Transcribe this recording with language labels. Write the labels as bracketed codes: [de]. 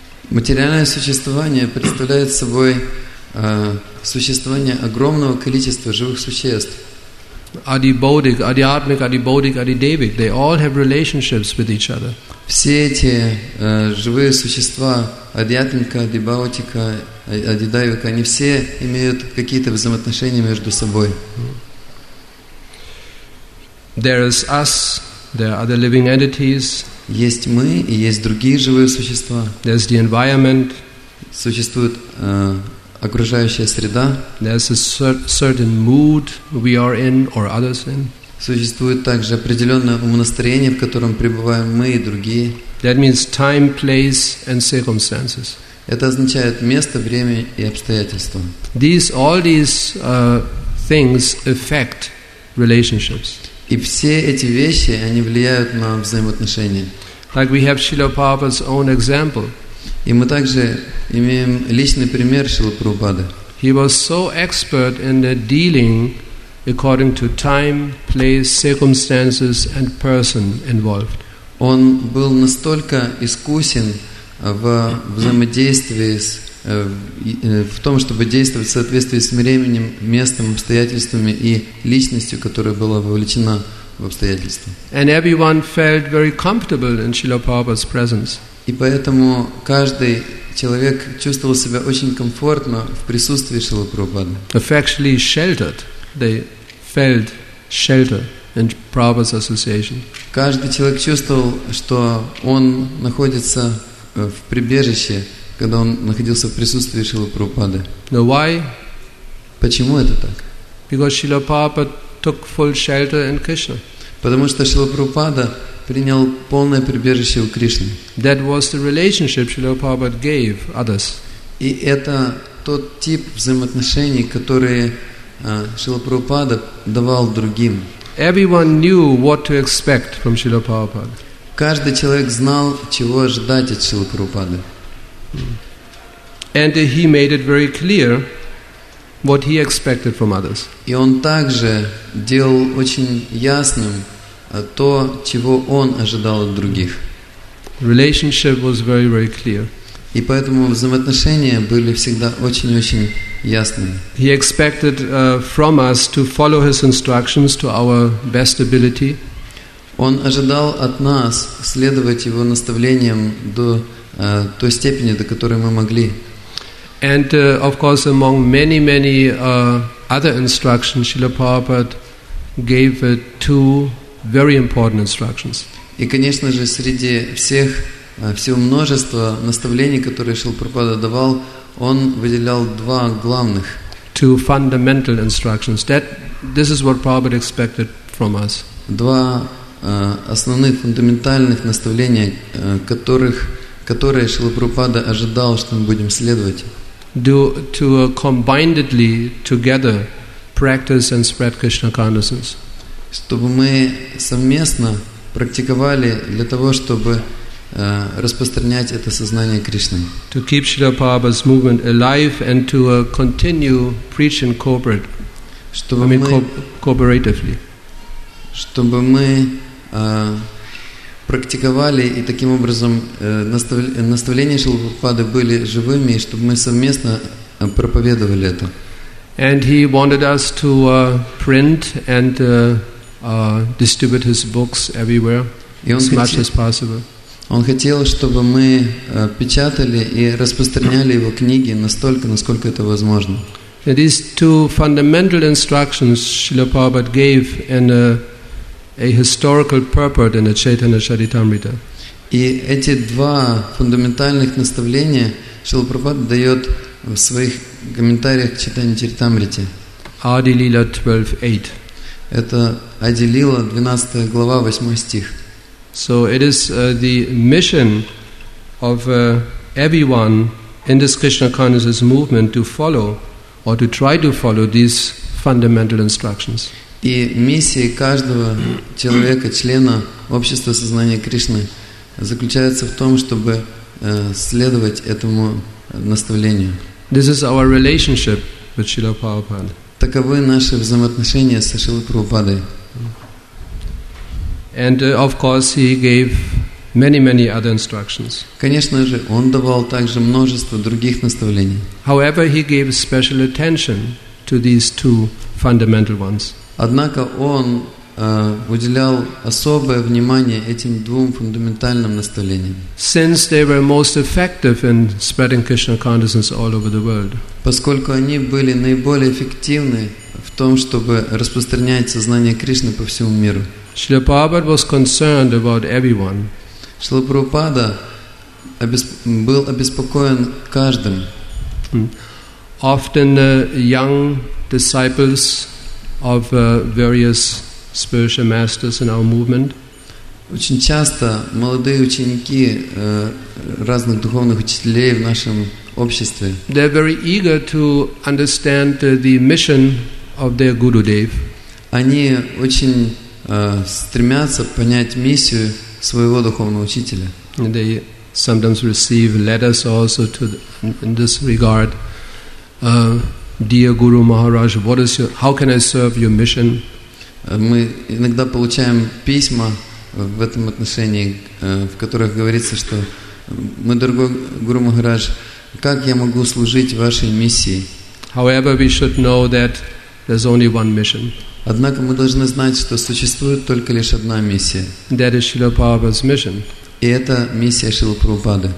[ru] Материальное существование представляет собой существование огромного количества живых существ. [en] Adibodhik, adiatmik, adibodhik, adidevik, they all have relationships with each other. [ru] Все эти живые существа адиатмика, адибаутика, адидайвика, они все имеют какие-то взаимоотношения между собой. [en] There is us, there are other living entities. [ru] Есть мы и есть другие живые существа. [en] There's the environment. [ru] Существует окружающая среда. [en] There's a certain mood we are in or others in. [ru] Существует также определенное умонастроение, в котором пребываем мы и другие. [en] That means time, place and circumstances. [ru] Это означает место, время и обстоятельства. [en] All these things affect relationships. [ru] И все эти вещи, они влияют на взаимоотношения. [en] Like we have Srila Prabhupada's own example. [ru] И мы также имеем личный пример Шрилы Прабхупады. [en] He was so expert in the dealing according to time, place, circumstances and person involved. [ru] Он был настолько искусен в взаимодействии с, в том, чтобы действовать в соответствии с временем, местом, обстоятельствами и личностью, которая была вовлечена в обстоятельства. [en] And everyone felt very comfortable in Srila Prabhupada's presence. [ru] И поэтому каждый человек чувствовал себя очень комфортно в присутствии Шрилы Прабхупады. [en] Effectually sheltered. They felt shelter in Prabhupada's association. [ru] Каждый человек чувствовал, что он находится в прибежище, когда он находился в присутствии Шрилы Прабхупады. [en] Now why? [ru] Почему это так? [en] Because Srila Prabhupada took full shelter in Krishna. [ru] Потому что Шрила Прабхупада принял полное прибежище у Кришны. [en] That was the relationship Srila Prabhupada gave others. [ru] И это тот тип взаимоотношений, которые Шрила Прабхупада давал другим. [en] Everyone knew what to expect from Srila Prabhupada. [ru] Каждый человек знал, чего ожидать от Шрилы Прабхупады. [en] And he made it very clear what he expected from others. [ru] И он также делал очень ясным то, чего он ожидал от других. [en] Relationship was very, very clear. [ru] И поэтому взаимоотношения были всегда очень-очень ясными. [en] He expected from us to follow his instructions to our best ability. [ru] Он ожидал от нас следовать его наставлениям до той степени, до которой мы могли. [en] And of course, among many, many other instructions, Srila Prabhupada gave two very important instructions. [ru] И, конечно же, среди всех всего множества наставлений, которые Шрила Прабхупада давал, он выделял два главных. [en] Two fundamental instructions. This is what Prabhupada expected from us. [ru] Два основных фундаментальных наставления, которые Шрила Прабхупада ожидал, что мы будем следовать. [en] To combinedly together practice and spread Krishna consciousness. [ru] Чтобы мы совместно практиковали для того, чтобы распространять это сознание Кришны. [en] To keep Srila Prabhupada's movement alive and to continue preaching cooperatively. [ru] Чтобы мы практиковали и таким образом наставления Шрилы Прабхупады были живыми, и чтобы мы совместно проповедовали это. [en] And he wanted us to print and distribute his books everywhere as much as possible. [ru] Он хотел, чтобы мы печатали и распространяли его книги настолько, насколько это возможно. [en] These two fundamental instructions Srila Prabhupada gave in a historical purport in the Chaitanya Charitamrita. [ru] И эти два фундаментальных наставления Шрила Прабхупада дает в своих комментариях к Чайтанья Чаритамрите. [en] Adi Lila 12:8. [ru] Это Ади Лила, 12 глава, 8 стих. [en] So it is the mission of everyone in this Krishna consciousness movement to follow or to try to follow these fundamental instructions. [ru] И миссия каждого человека, члена общества сознания Кришны, заключается в том, чтобы следовать этому наставлению. [en] This is our relationship with Srila Prabhupada. [ru] Таковы наши взаимоотношения с Шрилой Прабхупадой. [en] And of course he gave many, many other instructions. [ru] Конечно же, он давал также множество других наставлений. [en] However, he gave special attention to these two fundamental ones. [ru] Однако он уделял особое внимание этим двум фундаментальным наставлениям. [en] Since they were most effective in spreading Krishna consciousness all over the world. [ru] Поскольку они были наиболее эффективны в том, чтобы распространять сознание Кришны по всему миру. [en] Srila Prabhupada was concerned about everyone. [ru] Шрила Прабхупада был обеспокоен каждым. [en] Often young disciples of various spiritual masters in our movement. [ru] Очень часто молодые ученики разных духовных учителей в нашем обществе. [en] They are very eager to understand the mission of their Gurudev. [ru] Они очень стремятся понять миссию своего духовного учителя. [en] And they sometimes receive letters also to in this regard. Dear Guru Maharaj, what is your? How can I serve your mission? [ru] Мы иногда получаем письма в этом отношении, в которых говорится, что Мой дорогой Гуру Махарадж, как я могу служить вашей миссии? [en] However, we should know that there's only one mission. [ru] Однако мы должны знать, что существует только лишь одна миссия. [en] That is Srila Prabhupada's mission. [ru] И это миссия Шрилы Прабхупады.